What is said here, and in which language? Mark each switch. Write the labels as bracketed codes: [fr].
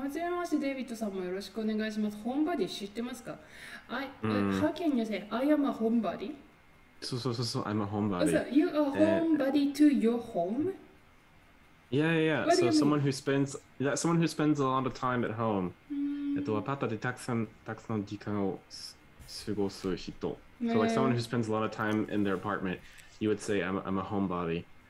[ja] はじめまして、デイビッドさんもよろしくお願いします。 Homebody 知ってますか？ [en] How can you say, I am a homebody? そうそうそうそう、I'm a homebody. So, you are homebody to your home? Yeah, yeah, yeah. So someone who spends that someone who spends a lot of time at home. [ja] アパートでたくさん時間を過ごす人. [en] So like someone who spends a lot of time in their apartment, you would say I'm a homebody.